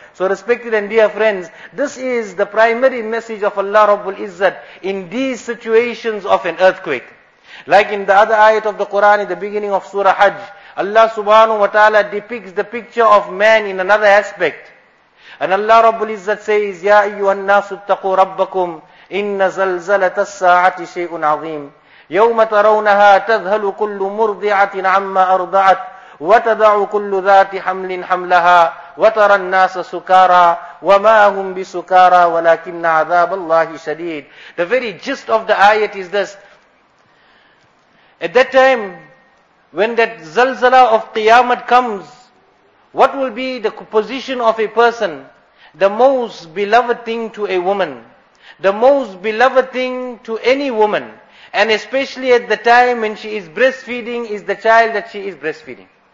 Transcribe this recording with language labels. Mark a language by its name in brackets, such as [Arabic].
[English] So respected and dear friends, this is the primary message of Allah Rabbul Izzat in these situations of an earthquake. Like in the other ayat of the Quran, in the beginning of Surah Hajj, Allah subhanahu wa ta'ala depicts the picture of man in another aspect. [Arabic] And Allah Rabbul Izzat says, يَا أَيُّهَا النَّاسُ اتَّقُوا رَبَّكُمْ إِنَّ زَلْزَلَةَ السَّاعَةِ شَيْءٌ عَظِيمٌ يَوْمَ تَرَوْنَهَا تَذْهَلُ كُلُّ مُرْضِعَةٍ عَمَّا أَرْضَعَتْ وَتَدَعُ كُلُّ ذَاتِ حَمْلٍ حَمْلَهَا وَتَرَى النَّاسَ سُكَارَى وَمَا هُمْ بِسُكَارَى وَلَكِنَّ عَذَابَ اللَّهِ شَدِيدٌ. [English] The very gist of the ayat is this. At that time, when that zalzala of Qiyamah comes, what will be the position of a person? The most beloved thing to a woman, the most beloved thing to any woman, and especially at the time when she is breastfeeding, is the child that she is breastfeeding.